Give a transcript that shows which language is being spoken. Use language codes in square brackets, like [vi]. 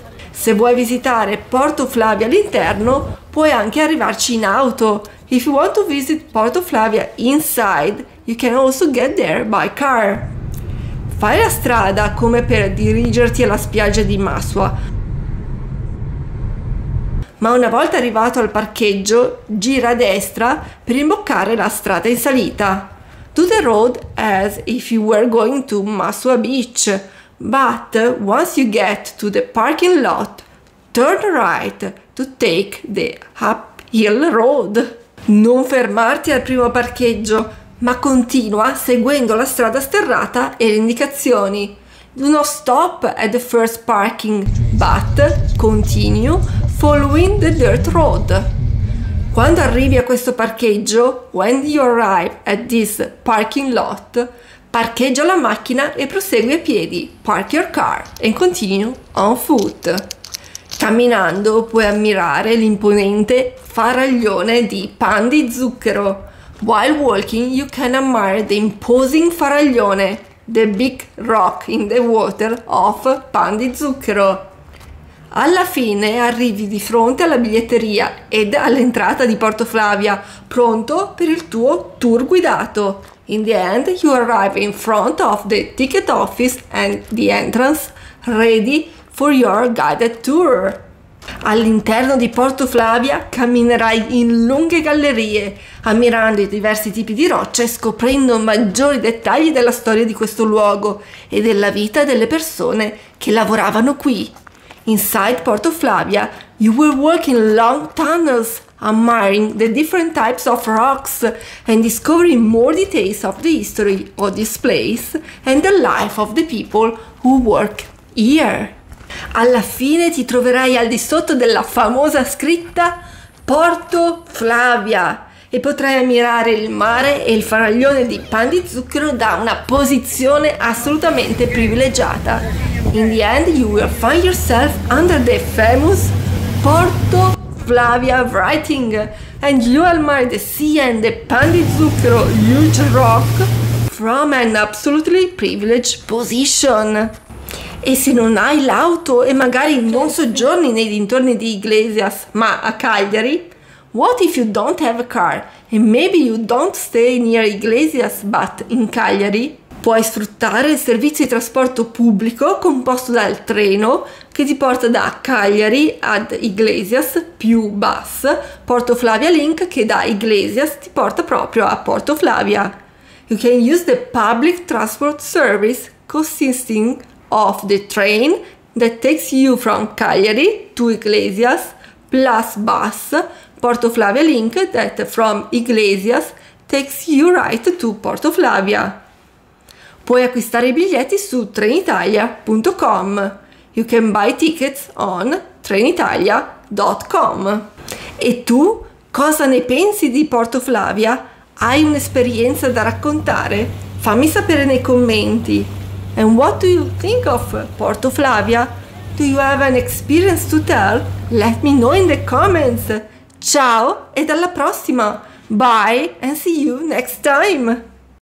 [it] Se vuoi visitare Porto Flavia all'interno, puoi anche arrivarci in auto. [en] If you want to visit Porto Flavia inside, you can also get there by car. [it] Fai la strada come per dirigerti alla spiaggia di Masua. Ma una volta arrivato al parcheggio, gira a destra per imboccare la strada in salita. [en] Do the road as if you were going to Masua Beach. But once you get to the parking lot, turn right to take the uphill road. [it] Non fermarti al primo parcheggio, ma continua seguendo la strada sterrata e le indicazioni. [en] Do not stop at the first parking, but continue following the dirt road. [it] Quando arrivi a questo parcheggio, [en] when you arrive at this parking lot, [it] parcheggia la macchina e prosegui a piedi, [en] park your car, and continue on foot. [it] Camminando puoi ammirare l'imponente faraglione di pan di zucchero. [en] While walking you can admire the imposing faraglione, the big rock in the water of pan di zucchero. [it] Alla fine arrivi di fronte alla biglietteria ed all'entrata di Porto Flavia, pronto per il tuo tour guidato. [en] In the end, you arrive in front of the ticket office and the entrance, ready for your guided tour. [it] All'interno di Porto Flavia camminerai in lunghe gallerie, ammirando i diversi tipi di rocce e scoprendo maggiori dettagli della storia di questo luogo e della vita delle persone che lavoravano qui. [en] Inside Porto Flavia, you will walk in long tunnels, admiring the different types of rocks and discovering more details of the history of this place and the life of the people who work here. [it] Alla fine ti troverai al di sotto della famosa scritta Porto Flavia e potrai ammirare il mare e il faraglione di pan di zucchero da una posizione assolutamente privilegiata. [en] In the end, you will find yourself under the famous Porto Flavia writing and you admire the sea and the pan di zucchero huge rock from an absolutely privileged position. [it] E se non hai l'auto e magari non soggiorni nei dintorni di Iglesias, ma a Cagliari? [en] What if you don't have a car and maybe you don't stay near Iglesias but in Cagliari? [it] Puoi sfruttare il servizio di trasporto pubblico composto dal treno che ti porta da Cagliari ad Iglesias più bus Porto Flavia Link che da Iglesias ti porta proprio a Porto Flavia. [en] You can use the public transport service consisting of the train that takes you from Cagliari to Iglesias plus bus Porto Flavia Link that from Iglesias takes you right to Porto Flavia. [it] Puoi acquistare i biglietti su trenitalia.com. [en] You can buy tickets on trenitalia.com. [it] E tu cosa ne pensi di Porto Flavia? Hai un'esperienza da raccontare? Fammi sapere nei commenti. [en] And what do you think of Porto Flavia? Do you have an experience to tell? Let me know in the comments. [it] Ciao e alla prossima. [en] Bye and see you next time.